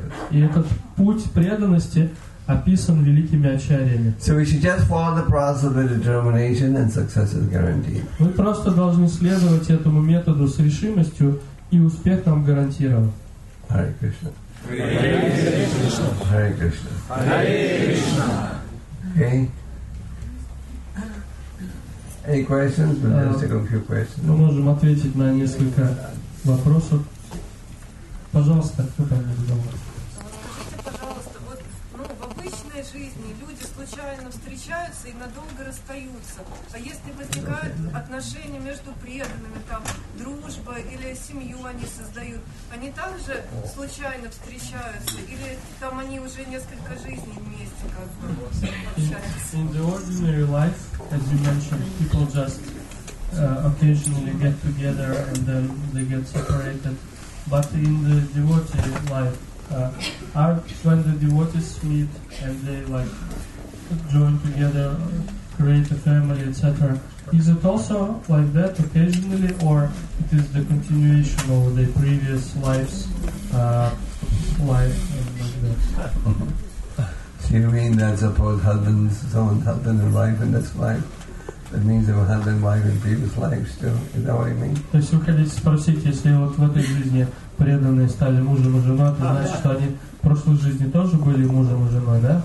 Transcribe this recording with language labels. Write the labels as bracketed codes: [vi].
[ru] И этот путь преданности описан великими ачарьями. [en] So we should just follow the process of determination and success is guaranteed. [ru] Мы просто должны следовать этому методу с решимостью, и успех нам гарантирован. [sa] Hare Krishna. Hare Krishna. Hare Krishna. Hare Krishna. [en] Okay. Any questions? We'll just take a few questions. [ru] Мы можем ответить на несколько вопросов. Пожалуйста, кто там не задал? Скажите, пожалуйста, вот в обычной жизни люди случайно встречаются и надолго расстаются. А если возникают отношения между преданными, там дружба или семью они создают, они также случайно встречаются? Или там они уже несколько жизней вместе как бы общаются? [en] In the ordinary life, as you mentioned, people just occasionally get together and then they get separated. But in the devotee life, when the devotees meet and they like join together, create a family, etc., is it also like that occasionally, or it is the continuation of the previous life's life and like that? You mean that suppose husbands, someone's husband and wife in this life, that means they were husband and wife in previous lives too? Is that what you mean? [ru] То есть вы хотите спросить, если вот в этой жизни преданные стали мужем и женой, то значит, что они в прошлой жизни тоже были мужем и женой, да?